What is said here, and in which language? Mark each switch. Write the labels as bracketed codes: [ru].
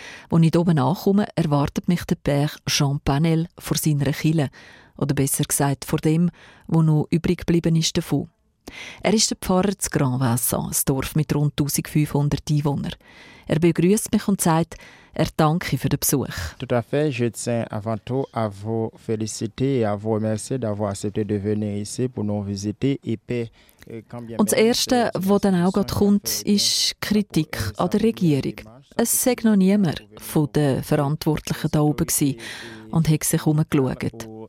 [de] Als ich oben ankomme, erwartet mich der Père Jean Panel vor seiner Kille. Oder besser gesagt, vor dem, was noch übrig geblieben ist davon. Er ist der Pfarrer des Grand Vincent, ein Dorf mit rund 1500 Einwohnern. Er begrüßt mich und sagt, er danke für den Besuch. [fr] Tout à fait, je tiens avant tout à vous féliciter et à vous remercier d'avoir accepté de venir ici pour nous visiter et paix. [de] Und das Erste, was dann auch gerade kommt, ist Kritik an der Regierung. Es sei noch niemand von den Verantwortlichen da oben gewesen und hat sich umgeschaut.